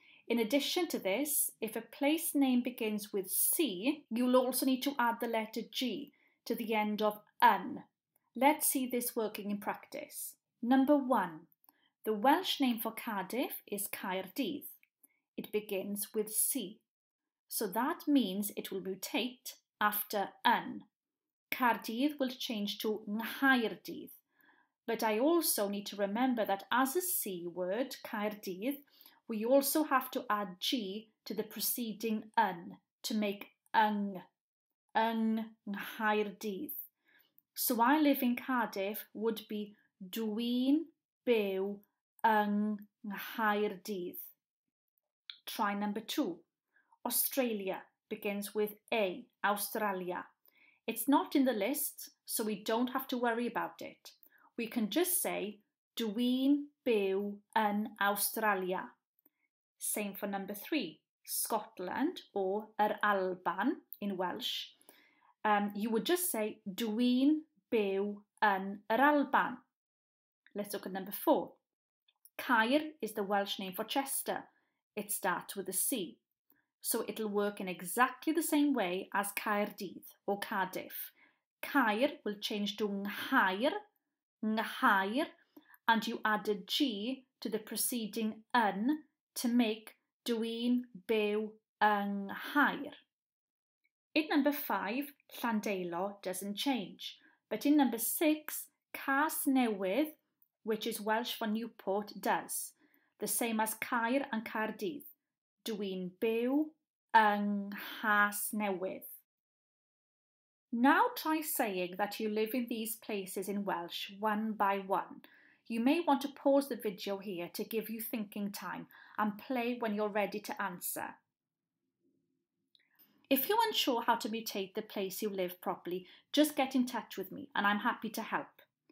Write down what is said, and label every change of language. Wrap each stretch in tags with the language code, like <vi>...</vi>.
<en>In addition to this, if a place name begins with C, you'll also need to add the letter G to the end of N. Let's see this working in practice. Number one. The Welsh name for Cardiff is Caerdydd. It begins with C. So that means it will mutate after yn. Caerdydd will change to Nghaerdydd. But I also need to remember that as a C word, Caerdydd, we also have to add G to the preceding yn to make yng.</en> <cy>Yng Nghaerdydd.</cy> <en>So I live in Cardiff would be</en> <cy>dwi'n byw yng Nghaerdydd.</cy> <en>Try number two. Australia begins with A, Australia. It's not in the list, so we don't have to worry about it. We can just say,</en> <cy>dwi'n byw yn Australia.</cy> <en>Same for number three. Scotland or yr Alban in Welsh. You would just say,</en> <cy>dwi'n byw yn yr Alban.</cy> <en>Let's look at number four. Caer is the Welsh name for Chester. It starts with a C. So it'll work in exactly the same way as Caerdydd or Cardiff. Caer will change to Nghaer, Nghaer, and you add a G to the preceding yn to make</en> <cy>dwi'n byw yng Nghaer.</cy> <en>In number five, Llandeilo doesn't change. But in number six, Casnewydd, which is Welsh for Newport, does. The same as Caer and Caerdydd.</en> <cy>Dwi'n byw yng Nghasnewydd.</cy> <en>Now try saying that you live in these places in Welsh one by one. You may want to pause the video here to give you thinking time and play when you're ready to answer. If you're unsure how to mutate the place you live properly, just get in touch with me and I'm happy to help.</en>